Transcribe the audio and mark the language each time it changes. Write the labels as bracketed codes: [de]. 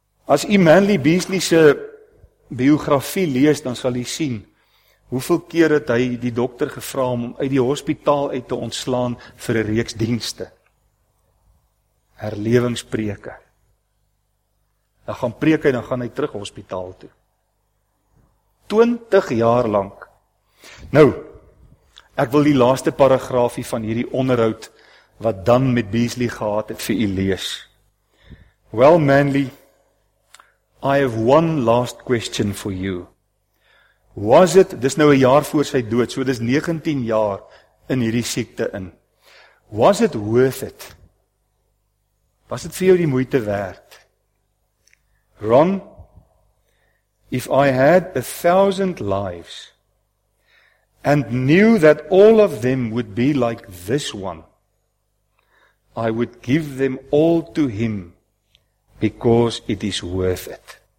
[af] As u Manly Beasley se biografie lees, dan sal u sien, hoeveel keer het hy die dokter gevra om hom uit die hospitaal uit te ontslaan vir 'n reeks dienste. Herlewingspreke. Dan gaan preek hy, dan gaan hy terug hospitaal toe. 20 jaar lank. Nou, ek wil die laaste paragraafie van hierdie onderhoud, wat dan met Beasley gehad het, vir u lees. [en] Well, Manly, I have one last question for you. Was it, [af] dis nou 'n jaar voor sy dood, so dis 19 jaar in hierdie siekte in. [en] Was it worth it? [af] Was het vir jou die moeite werd? [en] Ron, if I had 1,000 lives and knew that all of them would be like this one, I would give them all to him because it is worth it.